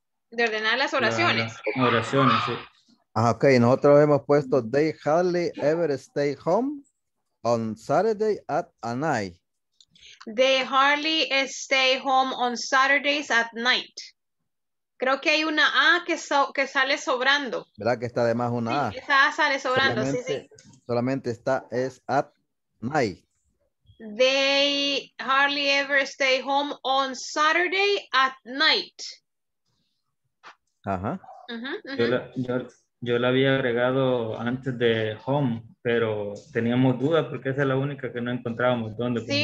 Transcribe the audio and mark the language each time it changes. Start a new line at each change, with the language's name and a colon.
Spanish: De ordenar las oraciones. Oraciones, sí. Ah, ok, nosotros hemos puesto
English: they hardly ever stay home on Saturday at night. They hardly stay home on Saturdays at night.
Spanish: Creo que hay una A que sale sobrando. ¿Verdad que está además una sí, A? Esa A sale sobrando, solamente, sí, sí. Solamente está, es
English: at night. They hardly ever stay home on Saturday at night.
Spanish: Ajá. Yo la había agregado antes de home, pero teníamos dudas porque esa es la única que no encontrábamos dónde ponerla.